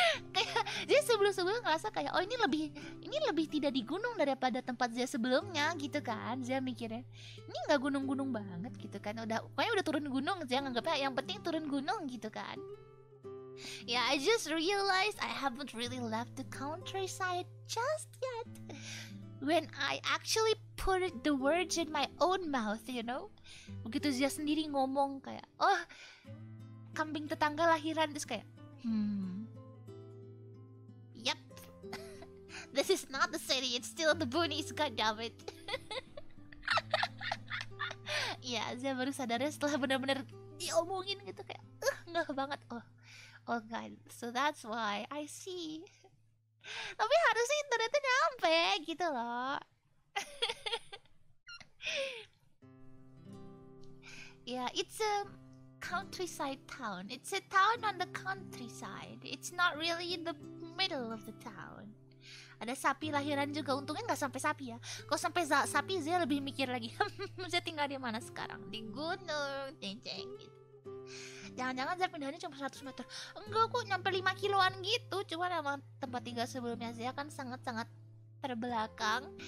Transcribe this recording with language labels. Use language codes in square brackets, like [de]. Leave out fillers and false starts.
[id] Kayak Zia sebelum-sebelum ngerasa kayak oh, ini lebih tidak di gunung daripada tempat Zia sebelumnya gitu kan. Zia mikirnya, ini enggak gunung-gunung banget gitu kan. Udah pokoknya udah turun gunung, Zia nganggapnya yang penting turun gunung gitu kan. [en] Ya, yeah, I just realized I haven't really left the countryside just yet. When I actually put the words in my own mouth, you know? [id] Begitu Zia sendiri ngomong kayak, oh, kambing tetangga lahiran. Terus kayak, yep. [en] This is not the city, it's still the boonies, goddammit. [id] Ya, yeah, Zia baru sadarnya setelah benar-benar diomongin gitu. Kayak, ngeh banget. [en] Oh god, so that's why I see. [id] Tapi harusnya internetnya nyampe gitu loh. [en] Ya, yeah, it's a countryside town. It's a town on the countryside. It's not really in the middle of the town. [id] Ada sapi lahiran juga. Untungnya nggak sampai sapi ya. Kalau sampai sapi, Zia lebih mikir lagi. Zia tinggal di mana sekarang? Di gunung, ceng-ceng gitu. Jangan-jangan Zia pindahnya cuma 100 meter. Enggak kok, nyampe 5 kiloan gitu. Cuma emang tempat tinggal sebelumnya Zia kan sangat-sangat terbelakang.